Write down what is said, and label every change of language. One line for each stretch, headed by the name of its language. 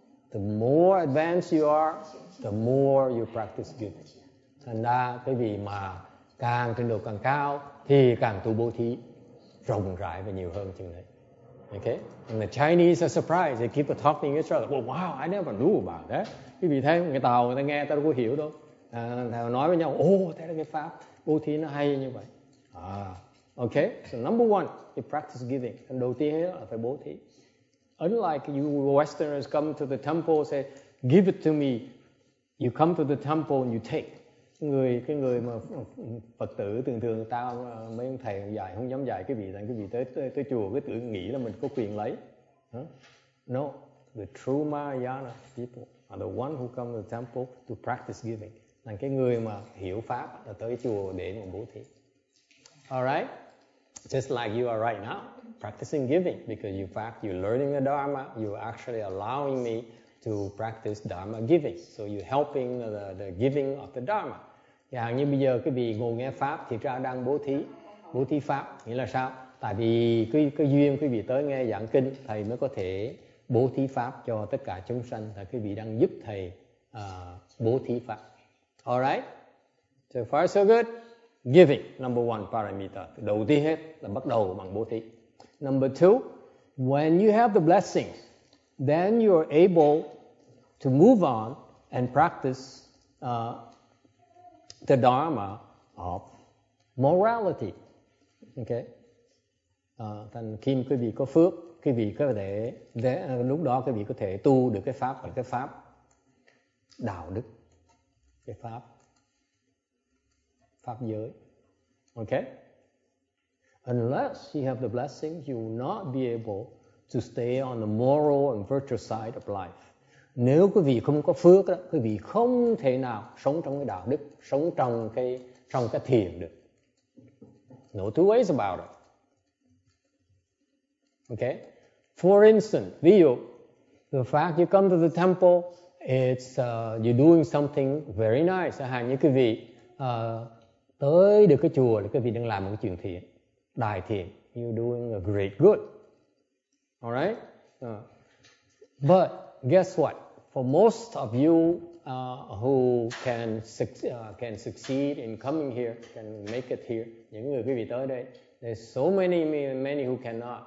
English: The more advanced you are, the more you practice giving.
Vietnamese: Thành ra cái gì mà càng trình độ càng cao thì càng tu bố thí rộng rãi và nhiều hơn chừng đấy.
English: Okay? And the Chinese are surprised. They keep talking to each other. Well, wow, I never knew about that.
Vietnamese: Quý vị thấy người Tàu người ta nghe ta đâu có hiểu đâu. Thầy nói với nhau, thế là cái pháp bố thí nó hay như vậy. Okay?
English: So number one, you practice giving. And
Vietnamese: đầu tiên là phải bố thí.
English: Unlike you Westerners come to the temple say, give it to me. You come to the temple and you take.
Vietnamese: Cái người mà Phật tử thường thường tao mấy ông thầy dạy không dám dạy cái vị rằng cái vị tới chùa cái tự nghĩ là mình có quyền lấy.
English: No, the true Mahayana people are the one who come to the temple to practice giving.
Vietnamese: Là cái người mà hiểu pháp là tới chùa để mà bố thí.
English: All right? Just like you are right now, practicing giving, because in fact you're learning the Dharma, you're actually allowing me to practice Dharma giving. So you're helping the giving of the Dharma.
Vietnamese: Yeah, như bây giờ quý vị ngồi nghe pháp thì ra đang bố thí pháp nghĩa là sao? Tại vì cái duyên quý vị tới nghe giảng kinh, thầy mới có thể bố thí pháp cho tất cả chúng sanh. Thì quý vị đang giúp thầy bố thí pháp.
English: All right. So far so good. Giving, number one parameter.
Vietnamese: Đầu tiên hết là bắt đầu bằng bố thí.
English: Number two, when you have the blessings, then you are able to move on and practice the dharma of morality. Okay?
Vietnamese: Thành khi quý vị có phước, quý vị có thể, lúc đó quý vị có thể tu được cái pháp, cái pháp đạo đức, cái pháp pháp giới. Okay?
English: Unless you have the blessing, you will not be able to stay on the moral and virtuous side of life.
Vietnamese: Nếu quý vị không có phước đó, quý vị không thể nào sống trong cái đạo đức, sống trong cái thiền được.
English: No two ways about it. Okay? For instance,
Vietnamese: ví dụ,
English: the fact you come to the temple, you're doing something very nice.
Vietnamese: Chẳng hạn như quý vị tới được cái chùa là quý vị đang làm một cái chuyện thiện, đại thiện.
English: You're doing a great good. Alright? But guess what? For most of you who can succeed in coming here, can make it here,
Vietnamese: những người quý vị tới đây,
English: there's so many, many who cannot.